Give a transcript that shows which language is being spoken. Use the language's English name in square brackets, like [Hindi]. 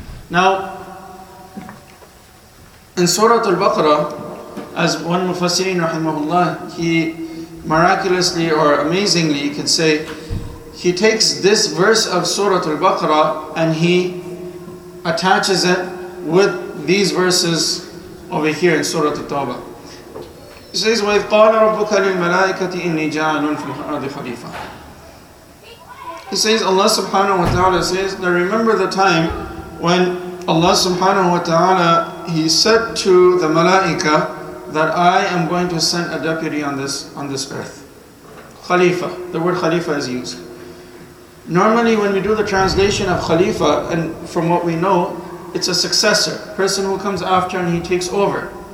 [English] Now, in Surah Al-Baqarah, as one Mufassirin rahimahullah, he miraculously or amazingly, you could say, he takes this verse of Surah Al-Baqarah and he attaches it with these verses over here in Surah At-Tawbah. He says, [Arabic] وَإِذْ قَالَ رَبُّكَ لِلْمَلَائِكَةِ إِنِّي جَاعِلٌ فِي الْأَرْضِ خَلِيفَةً. [English] He says, Allah subhanahu wa ta'ala says, now remember the time when Allah subhanahu wa ta'ala, He said to the Malaika that I am going to send a deputy on this earth. Khalifa, the word Khalifa is used. Normally when we do the translation of Khalifa, and from what we know, it's a successor, person who comes after and he takes over.